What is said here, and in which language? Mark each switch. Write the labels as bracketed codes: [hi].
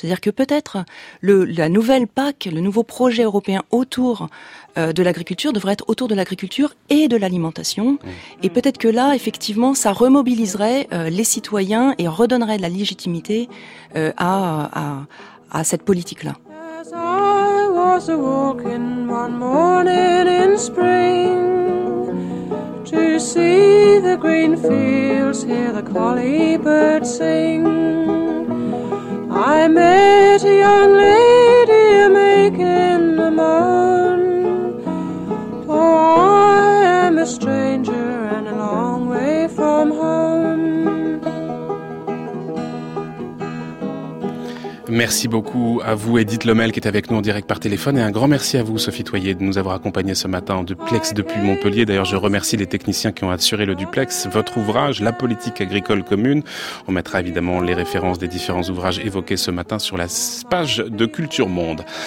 [fr] C'est-à-dire que peut-être la nouvelle PAC, le nouveau projet européen autour de l'agriculture devrait être autour de l'agriculture et de l'alimentation. Et peut-être que là, effectivement, ça remobiliserait les citoyens et redonnerait de la légitimité à cette politique-là. [en] As I was a-walking one morning in spring, to see the green fields, hear the collie-birds sing, I met a young lady a-making a moan, for I am a stranger and a long way from home. [fr] Merci beaucoup à vous, Edith Lemel, qui est avec nous en direct par téléphone. Et un grand merci à vous, Sophie Toyer, de nous avoir accompagnés ce matin en duplex depuis Montpellier. D'ailleurs, je remercie les techniciens qui ont assuré le duplex. Votre ouvrage, La politique agricole commune. On mettra évidemment les références des différents ouvrages évoqués ce matin sur la page de Culture Monde.